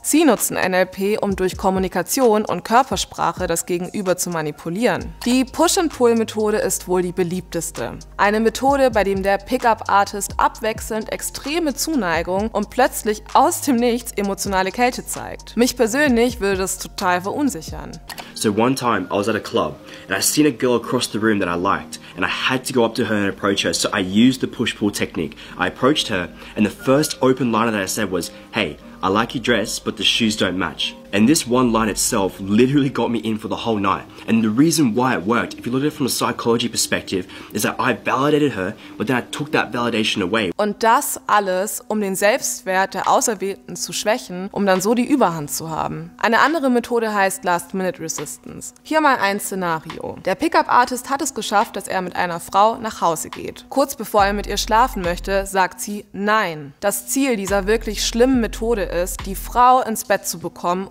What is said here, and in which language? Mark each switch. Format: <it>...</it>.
<de>Sie nutzen NLP, um durch Kommunikation und Körpersprache das Gegenüber zu manipulieren. Die Push-and-Pull-Methode ist wohl die beliebteste. Eine Methode, bei dem der Pick-up Artist abwechselnd extreme Zuneigung und plötzlich aus dem Nichts emotionale Kälte zeigt. Mich persönlich würde das total verunsichern.</de> <en>So one time I was at a club and I seen a girl across the room that I liked and I had to go up to her and approach her, so I used the push-pull technique. I approached her and the first open liner that I said was, hey, I like your dress, but the shoes don't match. And this one line itself literally got me in for the whole night. And the reason why it worked, if you look at it from a psychology perspective, is that I validated her, but then I took that validation away.</en> <de>Und das alles, um den Selbstwert der Auserwählten zu schwächen, um dann so die Überhand zu haben. Eine andere Methode heißt Last Minute Resistance. Hier mal ein Szenario. Der Pickup Artist hat es geschafft, dass er mit einer Frau nach Hause geht. Kurz bevor er mit ihr schlafen möchte, sagt sie Nein. Das Ziel dieser wirklich schlimmen Methode ist, die Frau ins Bett zu bekommen,</de>